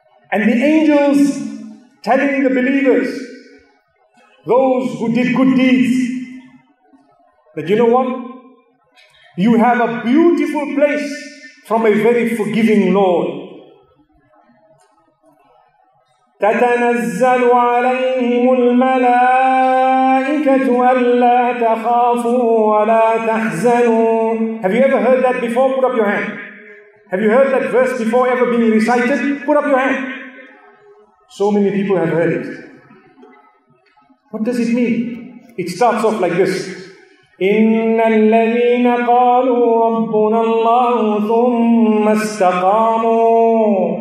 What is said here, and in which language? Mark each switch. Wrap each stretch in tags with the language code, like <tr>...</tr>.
<en>And the angels telling the believers, those who did good deeds, that you know what? You have a beautiful place from a very forgiving Lord.</en> <ar>تتنزل عليهم الملائكة ألا تخافوا ولا تحزنوا.</ar> <en>Have you ever heard that before? Put up your hand. Have you heard that verse before ever being recited? Put up your hand. So many people have heard it. What does it mean? It starts off like this.</en> <ar>إِنَّ الَّذِينَ قَالُوا رَبُّنَا اللَّهُ ثُمَّ اسْتَقَامُوا.</ar>